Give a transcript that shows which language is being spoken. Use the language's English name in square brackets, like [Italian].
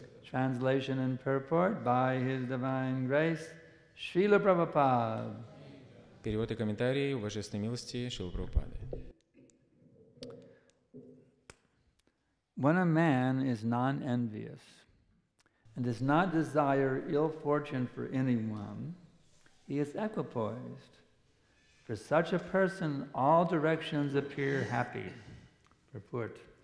[English] Translation and purport by His Divine Grace Srila Prabhupada. [Russian] Перевод и комментарии в божественной милости Шрилы Прабхупады. [English] When a man is non-envious and does not desire ill fortune for anyone, he is equipoised. For such a person, all directions appear happy. Purport.